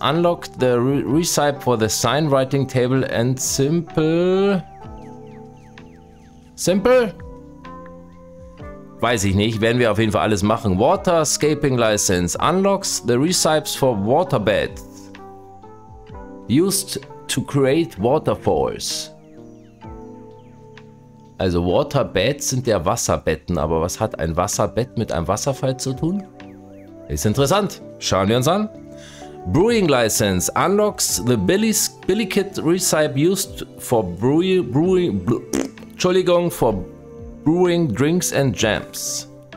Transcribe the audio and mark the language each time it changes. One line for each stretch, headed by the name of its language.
English: Unlock the Recipe for the Sign Writing Table and Simple?
German: Weiß ich nicht, werden wir auf jeden Fall alles machen. Waterscaping License.
English: Unlocks the recipes for waterbed. Used to create waterfalls.
German: Also Waterbeds sind ja Wasserbetten, aber was hat ein Wasserbett mit einem Wasserfall zu tun? Ist interessant. Schauen wir uns an. Brewing License.
English: Unlocks the Billy Kit Recipe used for Brewing Drinks and Jams.